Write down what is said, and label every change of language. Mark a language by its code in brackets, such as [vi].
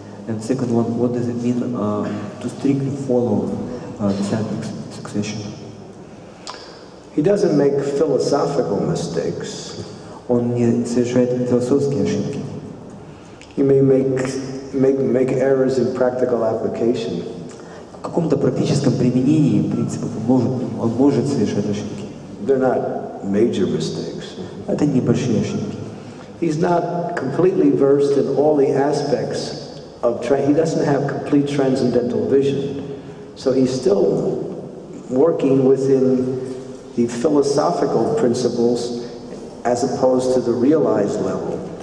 [en] And second one, what does it mean to strictly follow the succession? He doesn't make philosophical mistakes. [ru] Он не совершает философские ошибки. [en] He may make errors in practical application. [ru] В каком-то практическом применении принципов он может совершать ошибки. [en] They're not major mistakes. [ru] Это небольшие ошибки. [en] He's not completely versed in all the aspects of he doesn't have complete transcendental vision. So he's still working within the philosophical principles as opposed to the realized level.